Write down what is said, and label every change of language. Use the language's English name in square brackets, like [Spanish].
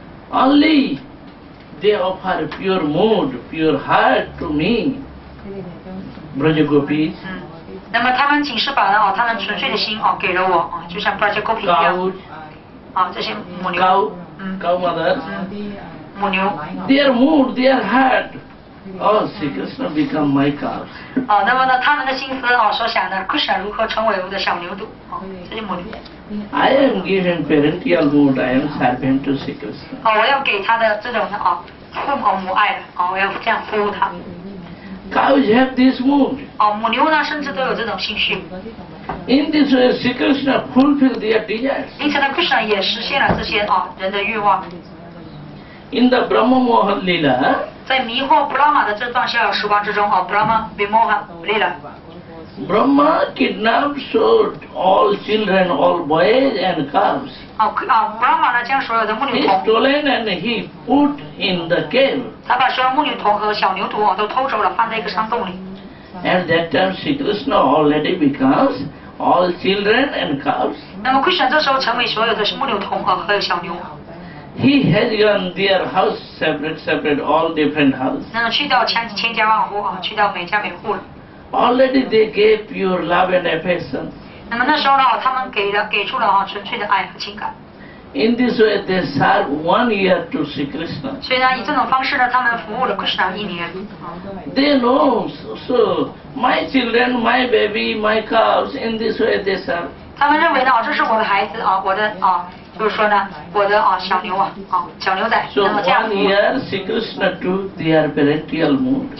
[English] Only they offer pure mood, pure heart to me, Braja Gopis. [Chinese] 那么他们仅是把他们纯粹的心给了我就像布拉杰沟皮一样这些母牛 [English] cow mother [Chinese] 母牛 [English] their mood, their heart oh, Sri Krishna become my cow [Chinese] 那么呢他们的心思所想的 Krishna 如何成为我的小牛犊这些母牛 [English] I am giving parental mood, I am serving to Sri Krishna [Chinese] 我要给他的这种父母爱我要这样服务他 [English] Cows have this mood. [Chinese] 母牛呢，甚至都有这种兴趣。 [English] In this way, Sri Krishna fulfilled their desires. [Chinese] 因此呢 ，Krishna 也实现了这些人的欲望。 [English] In the Brahma Moha Lila. [Chinese] 在迷惑布拉玛的这段逍遥时光之中Brahma Vimoha Lila. [English] Brahma kidnaps all children, all boys and cows. [Chinese] Brahma 呢将所有的母牛。 [English] He stole and he put in the cave. [Chinese] 他把所有牧牛童和小牛犊都偷走了放在一个山洞里 [English] and that time Sri Krishna already becomes all children and cows [Chinese] 那么 Krishna 这时候成为所有的牧牛童和小牛 [English] he has gone their house separate all different house [Chinese] 那么去到千家万户去到每家每户了 [English] already they gave pure love and affection [Chinese] 那么那时候呢他们给出了纯粹的爱和情感 [English] In this way, they serve 1 year to Sri Krishna. [Chinese] 所以呢，以这种方式呢，他们服务了 Krishna 一年。 [English] They know, so my children, my baby, my cows. In this way, they serve. [Chinese] 他们认为呢，这是我的孩子我的就是说呢，我的小牛小牛仔。 [English] So 1 year, Sri Krishna took their parental mood.